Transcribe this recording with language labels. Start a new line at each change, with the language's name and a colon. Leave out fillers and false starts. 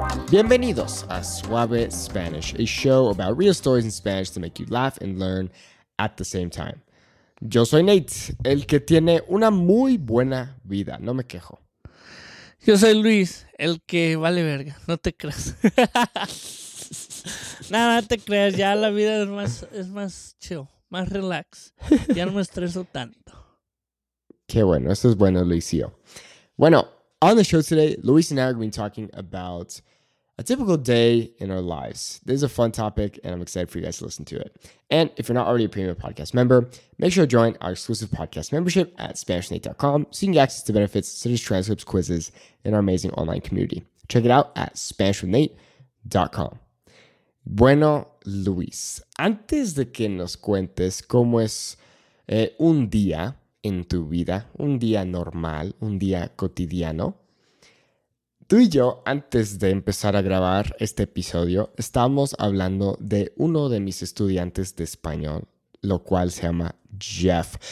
Spanish: Bienvenidos a Suave Spanish, a show about real stories in Spanish to make you laugh and learn at the same time. Yo soy Nate, el que tiene una muy buena vida. No me quejo. Yo soy Luis, el que vale verga. No te creas. Nada, no te creas. Ya la vida es más chill, más relax. Ya no me estreso tanto. Qué bueno. Esto es bueno, Luisio.
English: Bueno, on the show today, Luis and I are going to be talking about a typical day in our lives. This is a fun topic, and I'm excited for you guys to listen to it. And if you're not already a premium podcast member, make sure to join our exclusive podcast membership at SpanishNate.com so you can get access to benefits such as transcripts, quizzes, and our amazing online community. Check it out at SpanishNate.com.
Spanish: Bueno, Luis, antes de que nos cuentes cómo es un día en tu vida, un día normal, un día cotidiano, tú y yo, antes de empezar a grabar este episodio, estábamos hablando de uno de mis estudiantes de español, lo cual se llama Jeff.